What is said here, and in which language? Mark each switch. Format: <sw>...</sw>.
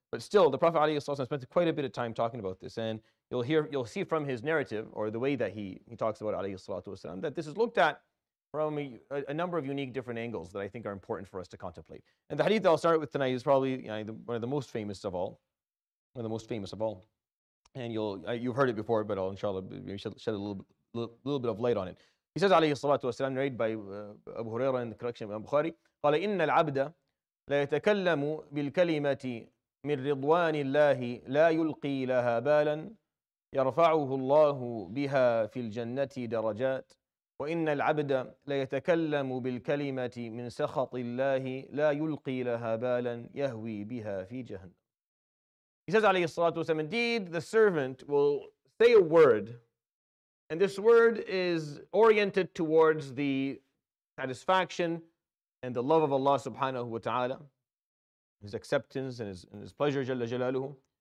<en>But still, the Prophet ﷺ spent quite a bit of time talking about this. And you'll see from his narrative or the way that he talks about it ﷺ that this is looked at from a number of unique different angles that I think are important for us to contemplate. And the hadith that I'll start with tonight is probably, you know, one of the most famous of all. And you've heard it before, but I'll inshallah maybe shed a little bit of light on it. He says, alayhi salatu wasalam, narrated by Abu Hurairah in the collection of Imam Bukhari,</en> <ar>قَالَ إِنَّ الْعَبْدَ لَيَتَكَلَّمُ بِالْكَلِمَةِ مِنْ رِضْوَانِ اللَّهِ لَا يُلْقِي لَهَا بَالًا يَرْفَعُهُ اللَّهُ بِهَا فِي الْجَنَّةِ دَرَجَاتِ وَإِنَّ الْعَبْدَ لَيَتَكَلَّمُ بِالْكَلِمَةِ مِنْ سَخَطِ اللَّهِ لَا يُلْقِي لَهَا بَالًا يَهْوِي بِهَا فِي جَهَنَّمَ.</ar> <en>He says, alayhi salatu wasalam, indeed, the servant will say a word, and this word is oriented towards the satisfaction and the love of Allah subhanahu wa ta'ala, his acceptance and his pleasure, jalla jalaluhu.</en>